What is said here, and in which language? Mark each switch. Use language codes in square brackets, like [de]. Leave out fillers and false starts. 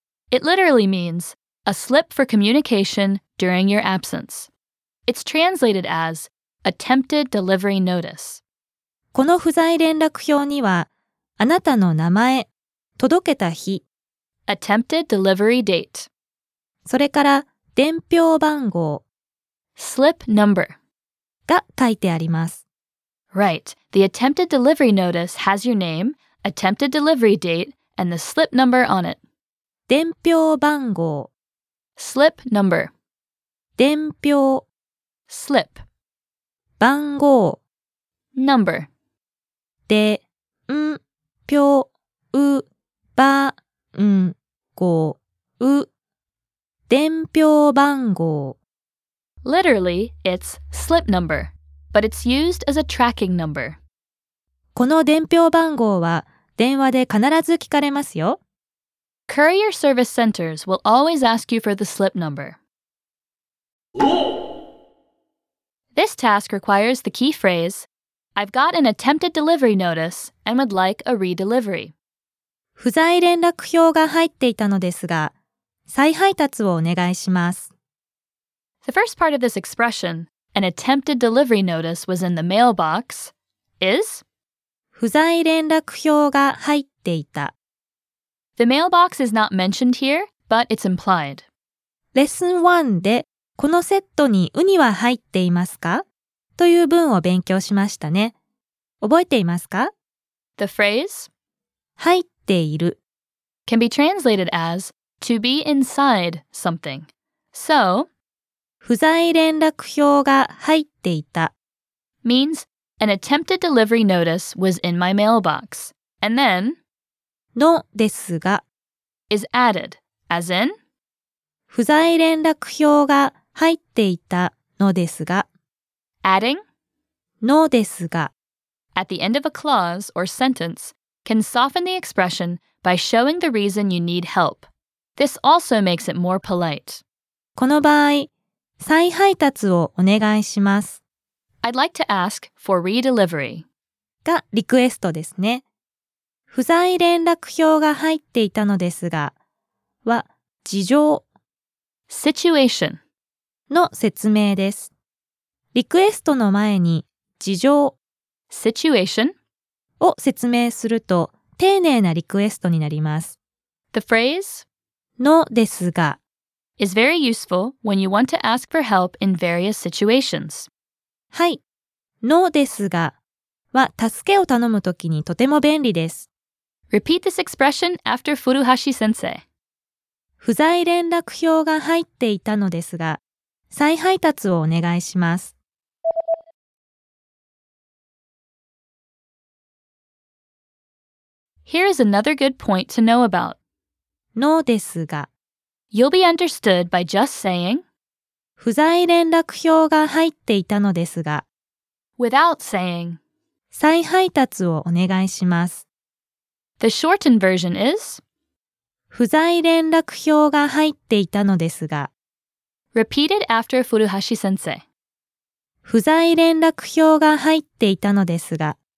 [en] It literally means a slip for communication during your absence. It's translated as attempted delivery notice. [ja] この不在連絡表にはあなたの名前、届けた日 [en] Attempted delivery date [ja] それから伝票番号 [en] Slip number [ja] が書いてあります [en] Right, the attempted delivery notice has your name, attempted delivery date, and the slip number on it. [ja] 伝票番号 [en] Slip number [ja] 伝票 [en] Slip [ja] 番号 [en] Number [ja] 伝票番号伝票番号 [en] Literally, it's slip number. But it's used as a tracking number. [ja] この伝票番号は電話で必ず聞かれますよ。 [en] Courier service centers will always ask you for the slip number. This task requires the key phrase, I've got an attempted delivery notice and would like a redelivery. [ja] 不在連絡表が入っていたのですが、再配達をお願いします。 [en] The first part of this expression,An attempted delivery notice was in the mailbox, is? [ja] 不在連絡表が入っていた。 [en] The mailbox is not mentioned here, but it's implied. [ja] Lesson 1でこのセットにウニは入っていますか? という文を勉強しましたね。覚えていますか? [en] The phrase [ja] 入っている [en] can be translated as to be inside something. So, [ja] 不在連絡表が入っていた [en] means an attempted delivery notice was in my mailbox. And then [ja] のですが [en] is added as in [ja] 不在連絡表が入っていたのですが [en] adding [ja] のですが [en] at the end of a clause or sentence can soften the expression by showing the reason you need help. This also makes it more polite. [ja] この場合再配達をお願いします。 [en] I'd like to ask for redelivery. [ja] がリクエストですね。不在連絡表が入っていたのですが、は事情。 [en] Situation. [ja] の説明です。リクエストの前に事情。 [en] Situation. [ja] を説明すると丁寧なリクエストになります。 [en] The phrase? [ja] のですが、 [en] is very useful when you want to ask for help in various situations. [ja] はい、のですがは助けを頼むときにとても便利です。 [en] Repeat this expression after Furuhashi sensei. [ja] 不在連絡表が入っていたのですが、再配達をお願いします。 [en] Here is another good point to know about. [ja] のですが、 [en] You'll be understood by just saying [ja] 不在連絡表が入っていたのですが [en] without saying [ja] 再配達をお願いします。 [en] The shortened version is [ja] 不在連絡表が入っていたのですが [en] Repeat it after Furuhashi sensei [ja] 不在連絡表が入っていたのですが